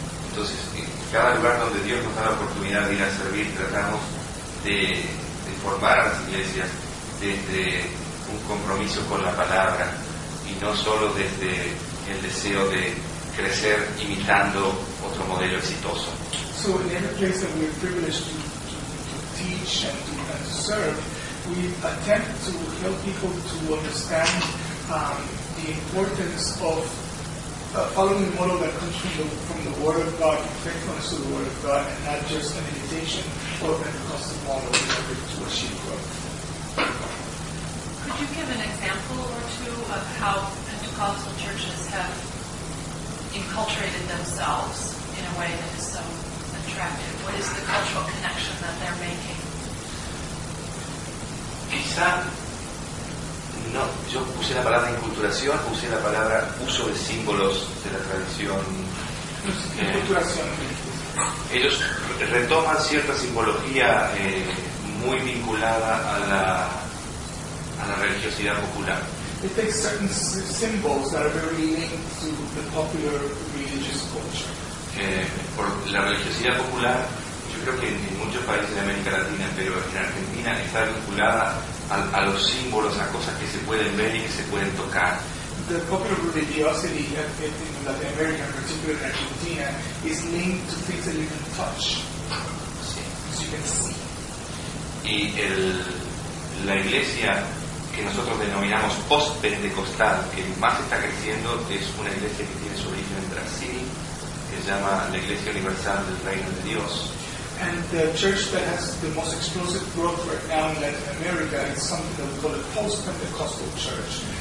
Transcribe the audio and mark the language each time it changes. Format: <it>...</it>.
<es>Entonces, en cada lugar donde Dios nos da la oportunidad de ir a servir, tratamos de formar a las iglesias desde un compromiso con la palabra y no solo desde el deseo de crecer imitando otro modelo exitoso.</es> <en>So in every place that we are privileged to teach and to serve, we attempt to help people to understand the importance of following the model that comes from the Word of God, faithfulness to the Word of God, and not just an imitation of a Pentecostal model in order to achieve growth. Could you give an example or two of how Pentecostal churches have enculturated themselves in a way that is so attractive? What is the cultural connection that they're making?</en> <es>Quizá. No, yo usé la palabra inculturación, usé la palabra uso de símbolos de la tradición. Inculturación. Ellos retoman cierta simbología muy vinculada a la religiosidad popular.</es> <en>They take certain symbols that are very linked to the popular religious culture.</en> <es>Por la religiosidad popular, yo creo que en muchos países de América Latina, pero en Argentina está vinculada a los símbolos, a cosas que se pueden ver y que se pueden tocar.</es> <en>The popular religiosity in Latin America, particularly in Argentina, is linked to things that you can touch.</en> <es>Sí.</es> <en>As you can see.</en> <es>Y la iglesia que nosotros denominamos post-pentecostal, que más está creciendo, es una iglesia que tiene su origen en Brasil, que se llama la Iglesia Universal del Reino de Dios.</es> <en>And the church that has the most explosive growth right now in Latin America is something that we call a post-Pentecostal church.</en>